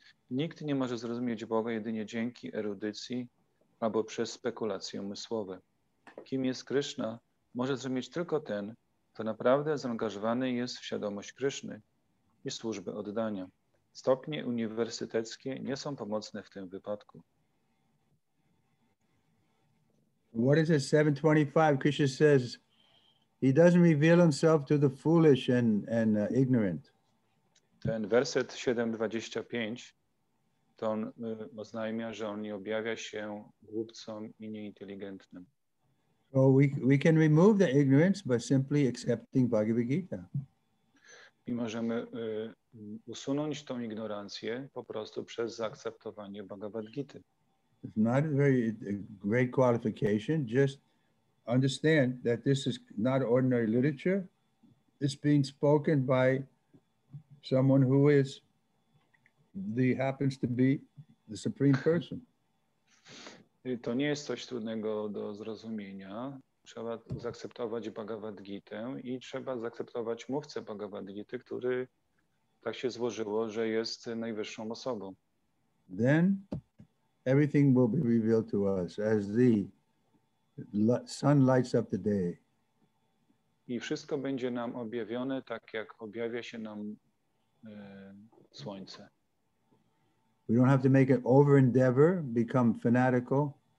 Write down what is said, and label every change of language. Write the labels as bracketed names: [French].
[Polish] Nikt nie może zrozumieć Boga jedynie dzięki erudycji albo przez spekulacje umysłowe. Kim jest Kryszna, może zrozumieć tylko ten, kto naprawdę zaangażowany jest w świadomość Kryszny i służbę oddania. Stopnie uniwersyteckie nie są pomocne w tym wypadku. [English] What is it? 7.25, Krishna says, he doesn't reveal himself to the foolish and ignorant. [Polish] Ten werset 7.25, to on oznajmia, że on nie objawia się głupcom i nieinteligentnym. [English] So we can remove the ignorance by simply accepting Bhagavad Gita. [Polish] I możemy usunąć tą ignorancję po prostu przez zaakceptowanie Bhagavad Gita. [English] It's not a very great qualification. Just understand that this is not ordinary literature. It's being spoken by someone who is the happens to be the Supreme Person. [Polish] To nie jest coś trudnego do zrozumienia. Trzeba zaakceptować Bhagavad Gita i trzeba zaakceptować mówcę Bhagavad Gita, który tak się złożyło, że jest najwyższą osobą. [English] Then everything will be revealed to us as the sun lights up the day. [Polish] I wszystko będzie nam objawione tak, jak objawia się nam słońce. [English] We don't have to make an over endeavor, become fanatical.